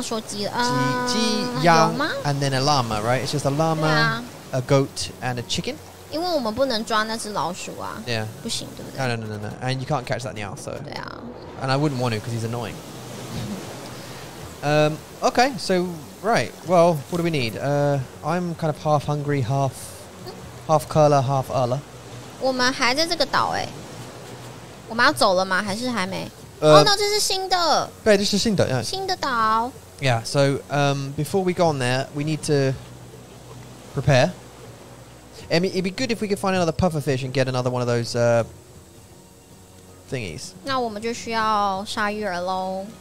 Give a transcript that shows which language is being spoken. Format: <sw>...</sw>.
<zh>羊吗？还有什么鸡？你刚刚说鸡了。鸡、羊吗</zh> <en>？And then a llama, right? It's just a llama, a goat, and a chicken.</en> <zh>因为我们不能抓那只老鼠啊。Yeah.不行，对不对</zh> <en>？No. And you can't catch that now, so.</en> <zh>对啊。And</zh> <en>I wouldn't want to because he's annoying. Okay. So right. Well, what do we need? I'm kind of half hungry, half curler, half urler.</en> <zh>我们还在这个岛哎。我们要走了吗？还是还没？</zh> <en>Oh, no, this is</en> <zh>新的.Yeah,</zh> <en>this is</en> <zh>新的岛.</zh> <en>Yeah, so before we go on there, we need to prepare. I mean, it'd be good if we could find another puffer fish and get another one of those thingies.</en> <zh>那我们就需要鲨鱼饵喽.</zh>